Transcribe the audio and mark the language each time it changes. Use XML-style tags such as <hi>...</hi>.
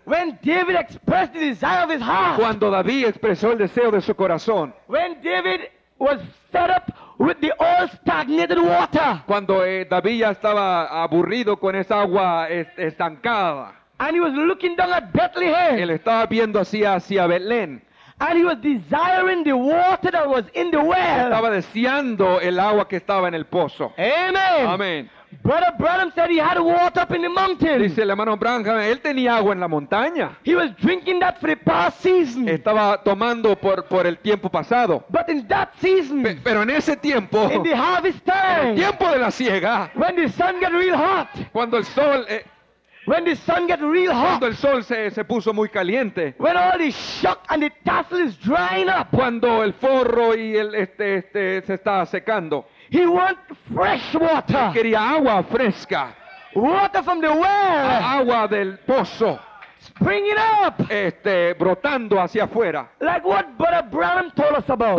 <en>When David expressed the desire of his heart.</en> <es>Cuando David expresó el deseo de su corazón.</es> <en>When David was fed up with the old stagnated water.</en> <es>Cuando David ya estaba aburrido con esa agua estancada.</es> <en>And he was looking down at Bethlehem.</en> <es>Él estaba viendo hacia Belén.</es> <en>And he was desiring the water that was in the well.</en> <es>Estaba deseando el agua que estaba en el pozo.</es> <en>Amen. Amen. Brother Branham said he had water up in the mountain.</en> <es>Dice el hermano Branham, él tenía agua en la montaña.</es> <en>He was drinking that for the past season.</en> <es>Estaba tomando por el tiempo pasado.</es> <en>But in that season,</en> <es>pero en ese tiempo,</es> <en>in the harvest time,</en> <es>en el tiempo de la siega,</es> <en>when the sun got real hot,</en> <es>cuando el sol</es> <en>when the sun got real hot,</en> <es>cuando el sol se puso muy caliente,</es> <en>when all the shock and the tassel is drying up,</en> <es>cuando el forro y el este se está secando.</es> <en>He wants fresh water.</en> <es>Él quería agua fresca.</es> <en>Water from the well.</en> <es>Agua del pozo.</es> <en>Springing up.</en> <es>Brotando hacia afuera.</es> <en>Like what Brother Branham told us about.</en>